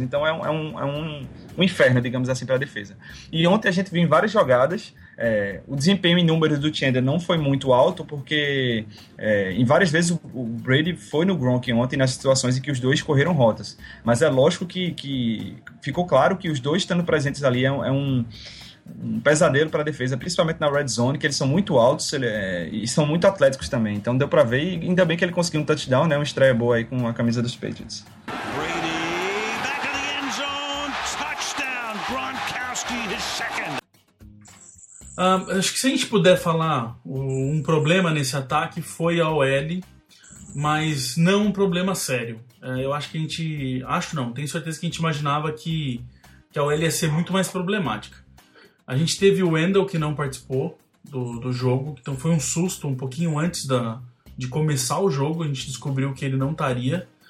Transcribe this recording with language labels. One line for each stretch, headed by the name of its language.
Portuguese: Então é um inferno, digamos assim, para a defesa. E ontem a gente viu em várias jogadas, o desempenho em números do Chandler não foi muito alto, porque em várias vezes o Brady foi no Gronk ontem nas situações em que os dois correram rotas, mas é lógico que ficou claro que os dois estando presentes ali é um pesadelo para a defesa, principalmente na red zone, que eles são muito altos e são muito atléticos também. Então deu para ver, e ainda bem que ele conseguiu um touchdown, né, uma estreia boa aí com a camisa dos Patriots.
English: Brady, back of the end zone, touchdown, Gronkowski, his second.
Portuguese: Acho que se a gente puder falar, um problema nesse ataque foi a OL, mas não um problema sério. Eu acho que a gente... Acho não, tenho certeza que a gente imaginava que a OL ia ser muito mais problemática. A gente teve o Wendell, que não participou do jogo, então foi um susto um pouquinho antes de começar o jogo, a gente descobriu que ele não estaria.